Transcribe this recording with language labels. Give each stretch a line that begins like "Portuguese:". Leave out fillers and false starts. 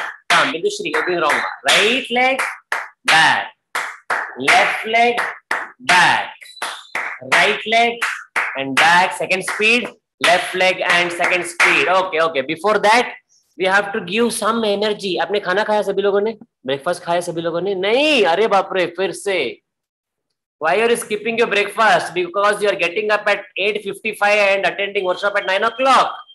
English: Tom, Bindu Shri, you're doing wrong. Right leg, back. Left leg, back. Right leg and back. Second speed. Left leg and second speed. Okay, okay. Before that, we have to give some energy.
Hindi: आपने खाना खाया सभी लोगों ने? Breakfast खाया सभी लोगों ने? नहीं, अरे बाप रे, फिर से
English: why you are skipping your breakfast? Because you are getting up at 8:55 and attending workshop at 9 o'clock.